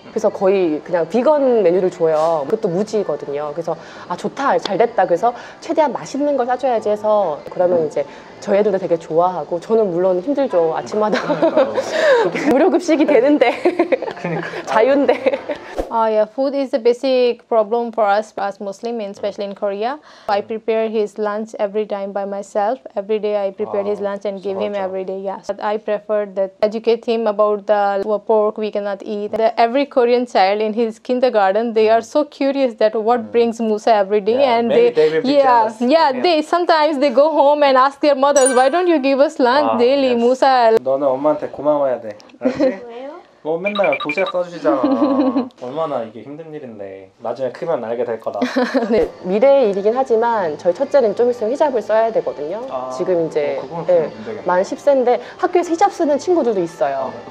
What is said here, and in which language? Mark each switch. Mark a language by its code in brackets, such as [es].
[ko] 그래서 거의 그냥 비건 메뉴를 줘요. 그것도 무지거든요. 그래서 아 좋다 잘 됐다 그래서 최대한 맛있는 걸 사줘야지 해서 그러면 이제 저 애들도 되게 좋아하고 저는 물론 힘들죠. 아침마다 무료급식이 되는데 자유인데 [en] yeah, food is a basic problem for us as Muslims, especially in Korea. I prepare his lunch every time by myself. Every day I prepare his lunch and give him every day. Yes, but I prefer that educate him about the pork we cannot eat. Every Korean child in his kindergarten, they are so curious that what brings Musa every day. Yeah, and maybe they will be jealous. Yeah, yeah, they sometimes they go home and ask their mothers, why don't you give us lunch daily, yes. Musa? [ko] 너는 엄마한테 고마워야 돼. 뭐 맨날 도시락 써주시잖아. 얼마나 이게 힘든 일인데 나중에 크면 알게 될 거다. 네, 미래의 일이긴 하지만 저희 첫째는 좀 있으면 히잡을 써야 되거든요. 아, 지금 이제 예, 만 10세인데 학교에서 히잡 쓰는 친구들도 있어요.